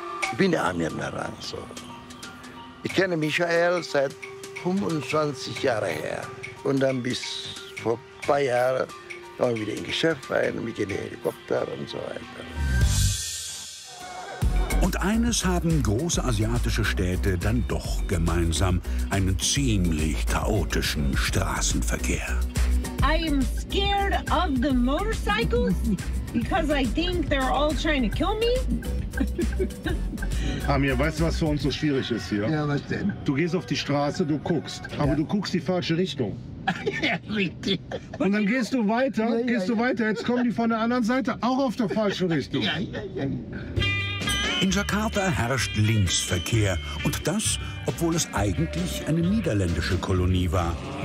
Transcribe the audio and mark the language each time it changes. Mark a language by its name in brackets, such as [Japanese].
[German] Ich bin der Amir Naranso. Ich kenne Michael seit 25 Jahren her. Und dann bis vor ein paar Jahren dann wieder in Geschäft rein mit den Helikopter und so weiter. Und eines haben große asiatische Städte dann doch gemeinsam: einen ziemlich chaotischen Straßenverkehr. [English] I am scared of the motorcycles because I think they're all trying to kill me. [German] Amir, weißt du, was für uns so schwierig ist hier? Ja, was denn? Du gehst auf die Straße, du guckst, aber du guckst die falsche Richtung. Ja, und dann gehst du weiter, jetzt kommen die von der anderen Seite auch auf der falschen Richtung. In Jakarta herrscht Linksverkehr und das, obwohl es eigentlich eine niederländische Kolonie war.